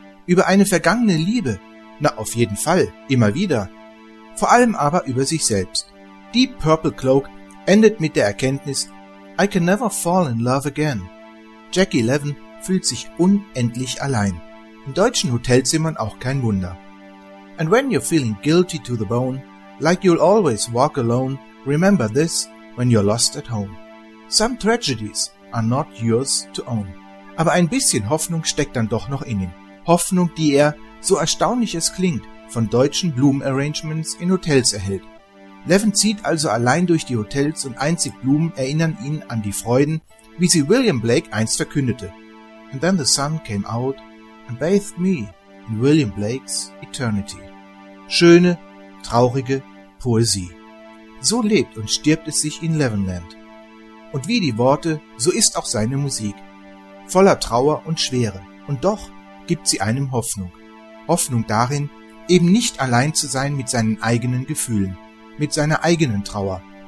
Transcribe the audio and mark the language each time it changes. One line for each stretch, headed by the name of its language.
German: Über eine vergangene Liebe? Na, auf jeden Fall, immer wieder. Vor allem aber über sich selbst. Deep Purple Cloak endet mit der Erkenntnis,
English: I can never fall in love again.
German: Jack 11 fühlt sich unendlich allein. In deutschen Hotelzimmern auch kein Wunder.
English: And when you're feeling guilty to the bone, like you'll always walk alone, remember this when you're lost at home. Some tragedies are not yours to own.
German: Aber ein bisschen Hoffnung steckt dann doch noch in ihm. Hoffnung, die er, so erstaunlich es klingt, von deutschen Blumenarrangements in Hotels erhält. 11 zieht also allein durch die Hotels und einzig Blumen erinnern ihn an die Freuden, wie sie William Blake einst verkündete.
English: And then the sun came out and bathed me in William Blake's eternity.
German: Schöne, traurige Poesie. So lebt und stirbt es sich in Levenland. Und wie die Worte, so ist auch seine Musik. Voller Trauer und Schwere. Und doch gibt sie einem Hoffnung. Hoffnung darin, eben nicht allein zu sein mit seinen eigenen Gefühlen, mit seiner eigenen Trauer.